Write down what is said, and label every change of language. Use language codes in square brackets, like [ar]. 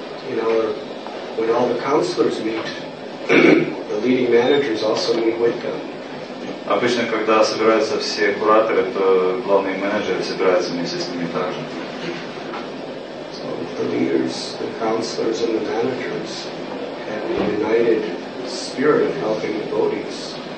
[en] When all the counselors meet, the leading managers also meet with them. [ru] Обычно, когда собираются все кураторы, то главные менеджеры собираются вместе с ними также. [en] So the leaders, the counselors, and the managers have a united spirit of helping the devotees.